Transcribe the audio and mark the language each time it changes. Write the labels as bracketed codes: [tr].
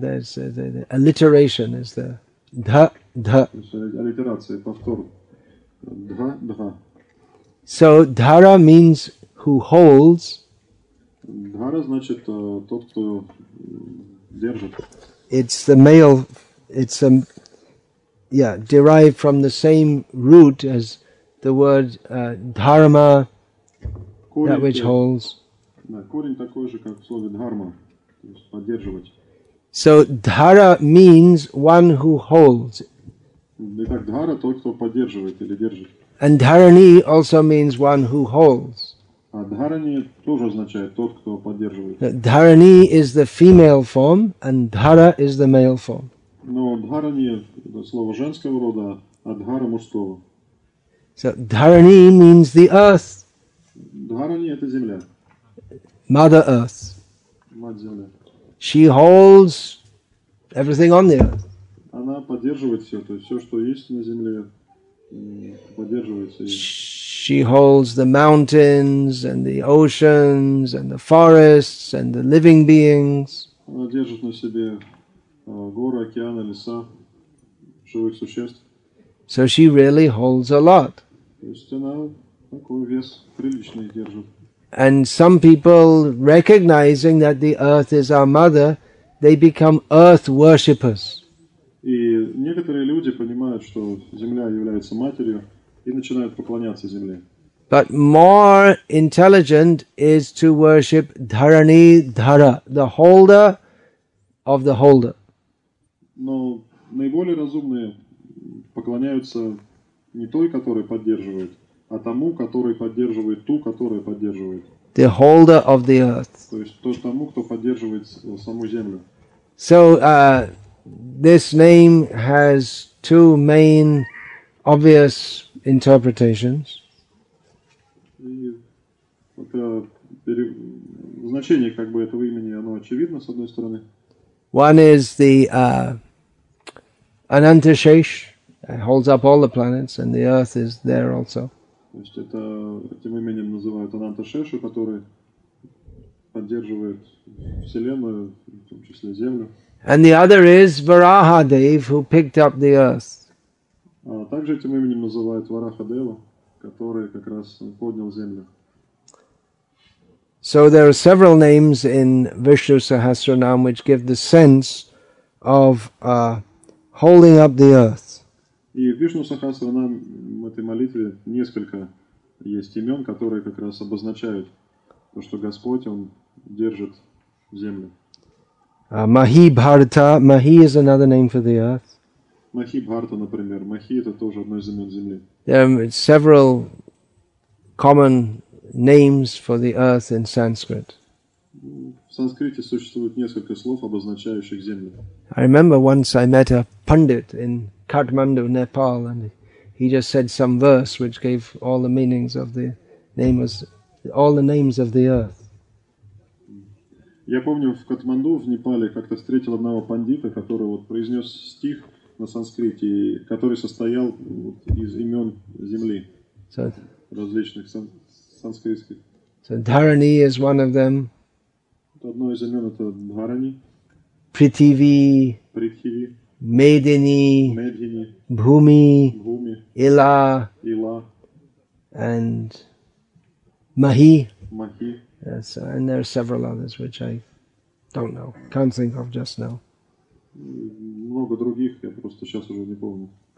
[en] There's the alliteration is the dha. [ru] Аллитерация, повтор. Dha, dha. [en] So Dhara means who holds. [ru] Dhara значит тот, кто держит. [en] It's the male. It's derived from the same root as the word dharma, [ru] корень, [en] that which holds. [ru] Да, корень такой же, как в слове дхарма, то есть поддерживать. [en] So dhara means one who holds. [ru] Итак, dhara тот, кто поддерживает или держит. [en] And dharani also means one who holds. [ru] А dharani тоже означает тот, кто поддерживает. [en] Dharani is the female form, and dhara is the male form. [ru] Но dharani это слово женского рода, а dhara мужского. [en] So dharani means the earth. [ru] Dharani это земля. [en] Mother Earth. [ru] Мать земля. [en] She holds everything on the earth. [ru] Она поддерживает все, то есть все, что есть на земле, поддерживается. [en] She holds the mountains and the oceans and the forests and the living beings. [ru] Она держит на себе горы, океаны, леса, живых существ. [en] So she really holds a lot. [ru] То есть она такой вес приличный держит. [en] And some people, recognizing that the earth is our mother, they become earth worshippers. [ru] И некоторые люди понимают, что земля является матерью, и начинают поклоняться земле. [en] But more intelligent is to worship Dharani Dhara, the holder of the holder. [ru] Но наиболее разумные поклоняются не той, которая поддерживает, а тому, который поддерживает ту, которая поддерживает. [en] The holder of the earth. [ru] То есть то, тому, кто поддерживает саму землю. [en] So this name has two main obvious interpretations. [ru] И это значение как бы этого имени, оно очевидно с одной стороны. [en] One is the Anantashesh holds up all the planets, and the Earth is there also. [ru] То есть это этим именем называют Анантешешу, который поддерживает Вселенную, в том числе Землю. [en] And the other is Varahadev, who picked up the Earth. [ru] Также этим именем называют Варахадева, который как раз поднял Землю. [en] So there are several names in Vishnu Sahasranam which give the sense of holding up the earth. [ru] И в Вишну Сахасранам в этой молитве несколько есть имен, которые как раз обозначают то, что Господь, Он держит землю. [sa] Махи Бхарта. [en] Махи is another name for the earth. [ru] Махи Бхарта, например. Махи это тоже одно из имен земли. [en] There are several common names for the earth in Sanskrit. [ru] В санскрите существует несколько слов, обозначающих землю. [en] I remember once I met a pundit in Kathmandu, Nepal, and he just said some verse which gave all the meanings of the name was all the names of the earth. [ru] Я помню, в Катманду, в Непале, как-то встретил одного пандита, который вот произнес стих на санскрите, который состоял вот из имен земли различных санскритских. [en] So Dharani is one of them. [ru] Одно из имен это Dharani. [sa] Prithivi. Prithivi. Medini. Medini. Bhumi. Bhumi. Ila. Ila. [en] And Mahi. [sa] Mahi. [en] Yes, and there are several others which I don't know. Can't think of just now. [ru] Много других, я просто сейчас уже не помню.